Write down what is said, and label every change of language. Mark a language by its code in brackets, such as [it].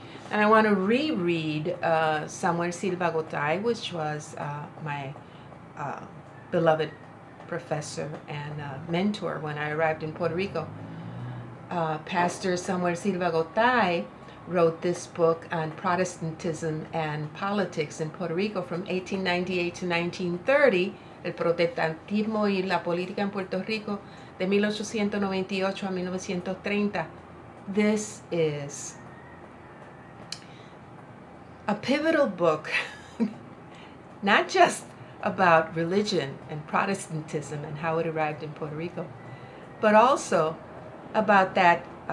[en] And I want to reread Samuel Silva Gotay, which was my beloved professor and mentor when I arrived in Puerto Rico. Pastor Samuel Silva Gotay wrote this book on Protestantism and politics in Puerto Rico from 1898 to 1930, [es] el protestantismo y la política en Puerto Rico de 1898 a 1930. [en] This is a pivotal book, not just about religion and Protestantism and how it arrived in Puerto Rico, but also about that